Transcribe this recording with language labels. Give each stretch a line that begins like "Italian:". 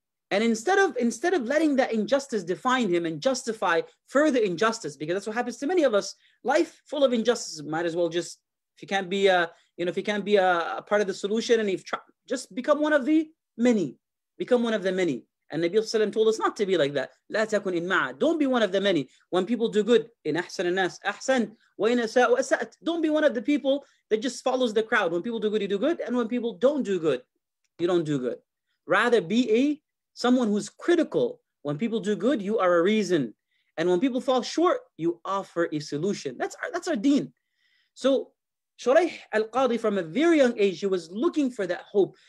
English: And instead of letting that injustice define him and justify further injustice, because that's what happens to many of us, life full of injustice, might as well just, if you can't be a part of the solution, and just become one of the many, become one of the many. And Nabi Sallallahu Alaihi Wasallam told us not to be like that.
Arabic: لا تكن إن مع.
English: Don't be one of the many. When people do good,
Arabic: إن أحسن الناس أحسن وإن أساء أسأت.
English: Don't be one of the people that just follows the crowd. When people do good, you do good. And when people don't do good, you don't do good. Rather be someone who's critical. When people do good, you are a reason. And when people fall short, you offer a solution. That's our deen. So Shuraih al-Qadi, from a very young age, he was looking for that hope.